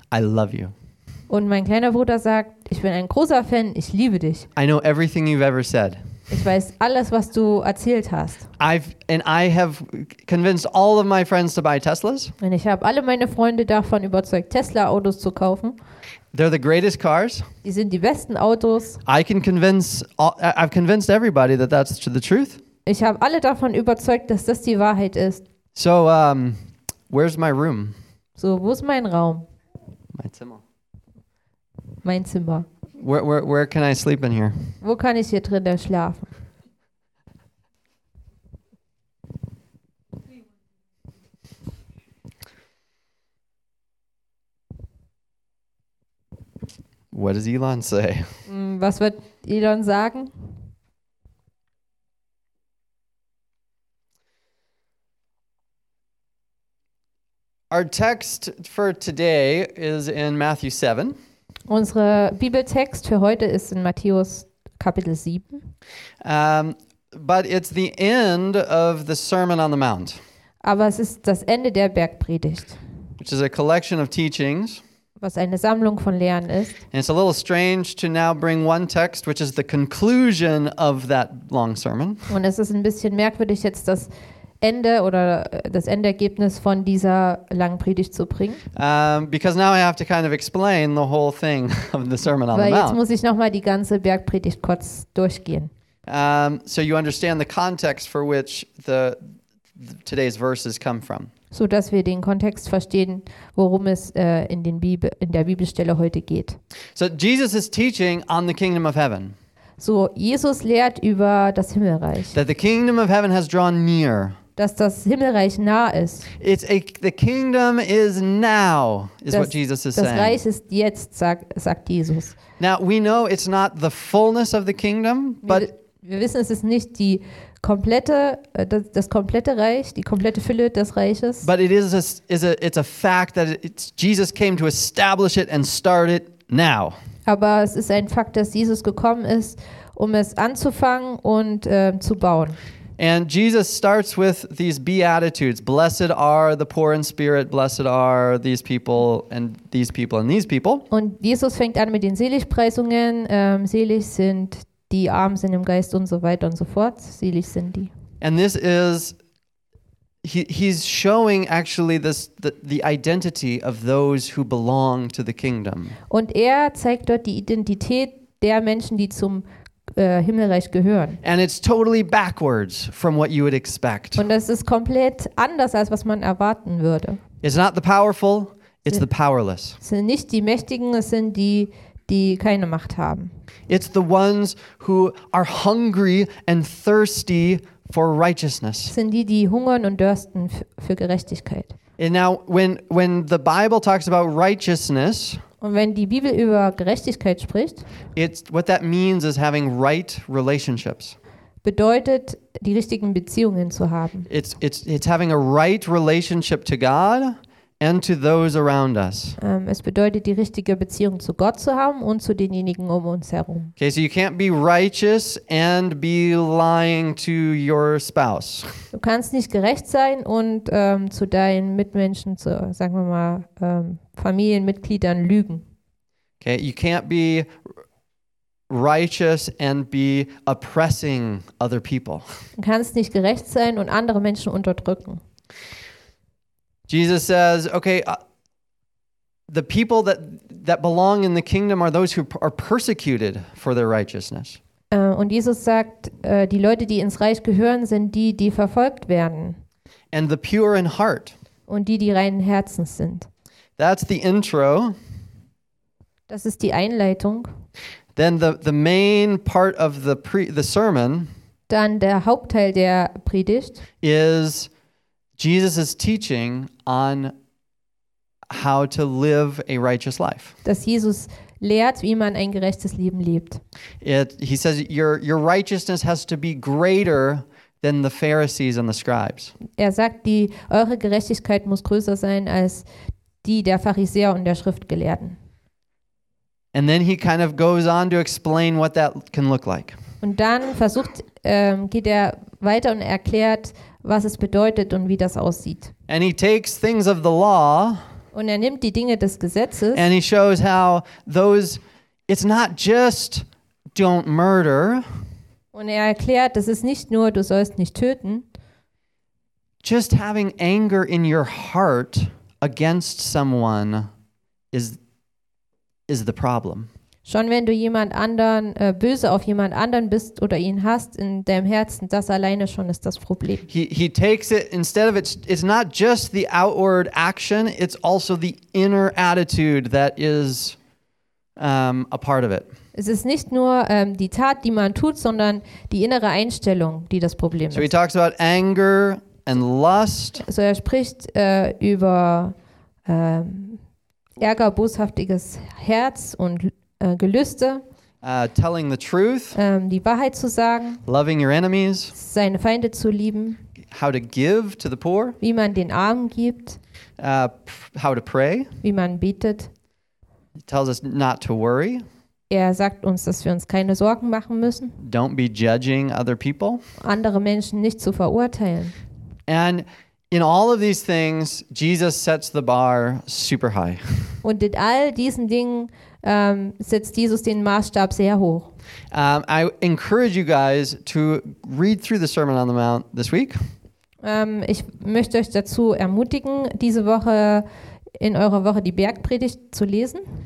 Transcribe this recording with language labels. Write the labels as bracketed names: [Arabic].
[English] I love you." [German] Und mein kleiner Bruder sagt, ich bin ein großer Fan, ich liebe dich. [English] I know everything you've ever said. [German] Ich weiß alles, was du erzählt hast. [English] I have convinced all of my friends to buy Teslas. [German] Und ich habe alle meine Freunde davon überzeugt, Tesla-Autos zu kaufen. [English] They're the greatest cars. [German] Die sind die besten Autos. [English] I've convinced everybody that that's the truth. [German] Ich habe alle davon überzeugt, dass das die Wahrheit ist. [English] So, where's my room? [German] So, wo ist mein Raum? Mein Zimmer. [English] Where can I sleep in here? [German] Wo kann ich hier drin schlafen? [English] What does Elon say? [German] Was wird Elon sagen? [English] Our text for today is in Matthew 7. [German] Unser Bibeltext für heute ist in Matthäus Kapitel 7. [English] But it's the end of the Sermon on the Mount. [German] Aber es ist das Ende der Bergpredigt. [English] Which is a collection of teachings. [German] Was eine Sammlung von Lehren ist. [English] And it's a little strange to now bring one text, which is the conclusion of that long sermon. [German] Und es ist ein bisschen merkwürdig jetzt, dass Ende oder das Endergebnis von dieser langen Predigt zu bringen. [English] Because now I have to kind of explain the whole thing of the Sermon on the Mount. [German] Weil jetzt muss ich nochmal die ganze Bergpredigt kurz durchgehen. [English] So you understand the context for which the today's verses come from. [German] So dass wir den Kontext verstehen, worum es in der Bibelstelle heute geht. [English] So Jesus is teaching on the kingdom of heaven. [German] So, Jesus lehrt über das Himmelreich. [English] That the kingdom of heaven has drawn near. [German] Dass das Himmelreich nah ist. [English] The kingdom is now, is what Jesus is saying. [German] Das Reich ist jetzt, sagt Jesus. [English] Now, we know it's not the fullness of the kingdom, but... [German] Wir wissen, es ist nicht das komplette Reich, die komplette Fülle des Reiches. [English] But it is it's a fact that it's Jesus came to establish it and start it now. [German] Aber es ist ein Fakt, dass Jesus gekommen ist, um es anzufangen und zu bauen. [English] And Jesus starts with these Beatitudes. Blessed are the poor in spirit, blessed are these people and these people and these people. [German] Und Jesus fängt an mit den Seligpreisungen. Selig sind die Armen sind im Geist und so weiter und so fort. Selig sind die. [English] And this is, he's showing actually this the identity of those who belong to the kingdom. [German] Und er zeigt dort die Identität der Menschen, die zum Himmelreich gehören. [English] And it's totally backwards from what you would expect. [German] Und das ist komplett anders als was man erwarten würde. [English] It's not the powerful, it's the powerless. [German] Es sind nicht die Mächtigen, es sind die keine Macht haben. [English] It's the ones who are hungry and thirsty for righteousness. [German] Es sind die hungern und dürsten für Gerechtigkeit. [English] And now when the Bible talks about righteousness, [German] und wenn die Bibel über Gerechtigkeit spricht, [English] it's what that means is having right relationships. [German] Bedeutet, die richtigen Beziehungen zu haben. [English] It's having a right relationship to God and to those around us. [German] Es bedeutet, die richtige Beziehung zu Gott zu haben und zu denjenigen um uns herum. [English] Okay, so you can't be righteous and be lying to your spouse. [German] Du kannst nicht gerecht sein und zu deinen Mitmenschen, zu, sagen wir mal, Familienmitgliedern lügen. [English] Okay, you can't be righteous and be oppressing other people. [German] Du kannst nicht gerecht sein und andere Menschen unterdrücken. [English] Jesus says, okay, the people that belong in the kingdom are those who are persecuted for their righteousness. [German] Und Jesus sagt, die Leute, die ins Reich gehören, sind die, die verfolgt werden. [English] And the pure in heart. [German] Und die, die reinen Herzens sind. [English] That's the intro. [German] Das ist die Einleitung. [English] Then the main part of the sermon. [German] Dann der Hauptteil der Predigt. [English] Is Jesus' teaching on how to live a righteous life. [German] Dass Jesus lehrt, wie man ein gerechtes Leben lebt. [English] He says your righteousness has to be greater than the Pharisees and the scribes. [German] Er sagt, eure Gerechtigkeit muss größer sein als die der Pharisäer und der Schriftgelehrten. [English] And then he kind of goes on to explain what that can look like. [German] Und dann versucht geht er weiter und erklärt, was es bedeutet und wie das aussieht. [English] And he takes things of the law. [German] Und er nimmt die Dinge des Gesetzes. [English] And he shows how those, it's not just don't murder. [German] Und er erklärt, das ist nicht nur, du sollst nicht töten. [English] Just having anger in your heart against someone is the problem. [German] Schon wenn du jemand anderen böse auf jemand anderen bist oder ihn hast in deinem Herzen, das alleine schon ist das Problem. [English] He takes it instead of it's not just the outward action, it's also the inner attitude that is a part of it. [German] Es ist nicht nur die Tat, die man tut, sondern die innere Einstellung, die das Problem ist. [English] So he talks about anger and lust. [German] So er spricht über Ärger, boshaftiges Herz und Gelüste, [English] telling the truth, [German] die Wahrheit zu sagen, [English] loving your enemies, [German] seine Feinde zu lieben, [English] how to give to the poor, [German] wie man den Armen gibt, [English] how to pray, [German] wie man betet. [English] He tells us not to worry. [German] Er sagt uns, dass wir uns keine Sorgen machen müssen. [English] Don't be judging other people. [German] Andere Menschen nicht zu verurteilen. [English] And in all of these things, Jesus sets the bar super high. [German] Und in all diesen Dingen setzt Jesus den Maßstab sehr hoch. [English] I encourage you guys to read through the Sermon on the Mount this week. [German] Ich möchte euch dazu ermutigen, diese Woche in eurer Woche die Bergpredigt zu lesen.